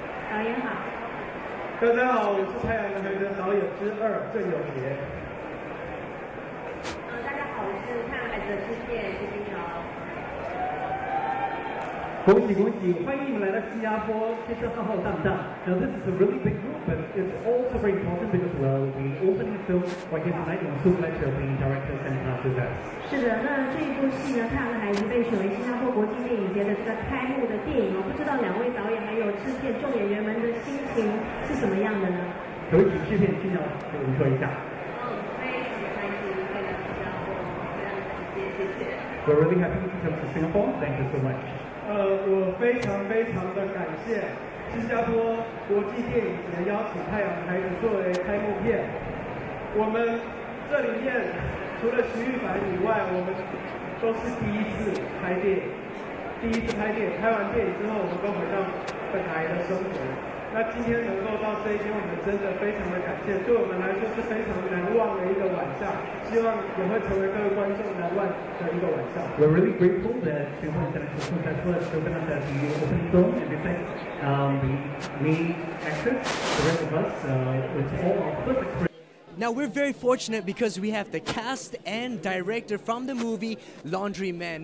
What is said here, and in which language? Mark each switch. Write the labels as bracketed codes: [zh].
[zh] 导演好。大家好，我是太阳孩子导演之二郑有杰。大家好，我是太阳孩子的初见徐君瑶。恭喜恭喜，欢迎你们来到新加坡，真是浩浩荡荡。 [en] Now this is a really big group, but it's also very important because well, we open the film right here tonight, and so glad to be director and cast with us. [zh] 是的，那这一部戏呢，太阳的孩子被选为新加坡国际电影节的这个开幕的电影，不知道两位导演还有制片众演员们的心情是什么样的呢？可以制片青鸟给我们说一下。 [en] We're really happy to come to Singapore. Thank you so much. [zh] 我非常非常的感谢新加坡国际电影节邀请太阳孩子作为开幕片。我们这里面除了徐玉凡以外，我们都是第一次拍电影，第一次拍电影，拍完电影之后，我们都回到本来的生活。那今天能够到这一天，我们真的非常的感谢，对我们来说是非常难忘的一个晚上，希望也会成为各位观众难忘的一个晚上。 [en] We're really grateful that Singapore International Film Festival has chosen us as the opening film, and besides me, actors, the rest of us, it's all our first experience. Now we're very fortunate because we have the cast and director from the movie Laundry Man.